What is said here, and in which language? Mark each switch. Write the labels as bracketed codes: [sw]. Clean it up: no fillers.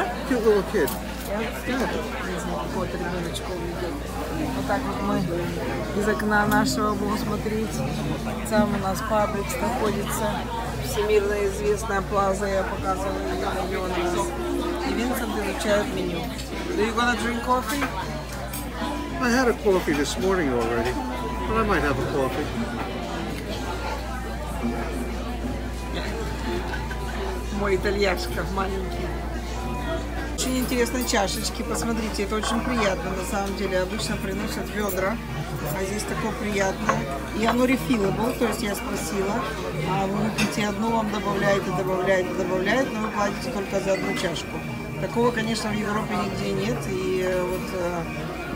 [en] Cute little kid. Yeah. [ru] Какого-то ребеночка увидел. Вот так вот мы из окна нашего будем смотреть. Там у нас Пабликс находится. Всемирно известная плаза, я показывала ее на нас. [en] Do you want to drink coffee? I had a coffee this morning already, but I might have a coffee. [ru] Мой итальяшка маленький. Очень интересные чашечки, посмотрите, это очень приятно на самом деле. Обычно приносят ведра, а здесь такое приятное. И оно refillable, то есть я спросила, а вы выпьете одну, вам добавляют, но вы платите только за одну чашку. Такого, конечно, в Европе нигде нет, и вот